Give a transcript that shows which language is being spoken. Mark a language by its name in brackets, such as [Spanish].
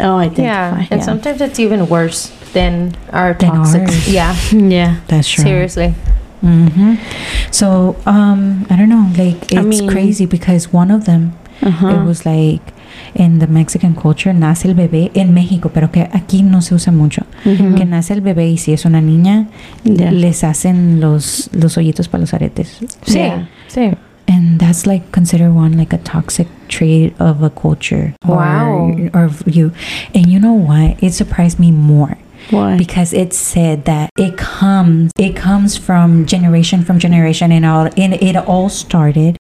[English] Oh, identify. Yeah. And sometimes it's even worse than our toxic. Yeah. That's true. Seriously. Mm-hmm. So, I don't know. Like, crazy because one of them, it was like... In the Mexican culture, [Spanish] nace el bebé en México, pero que aquí no se usa mucho. Que nace el bebé y si es una niña, les hacen los hoyitos para los aretes. Sí. Yeah. Sí. [English] And that's like considered one like a toxic trait of a culture. Wow. Or you. And you know what? It surprised me more. Why? Because it said that it comes from generation and all, and it all started.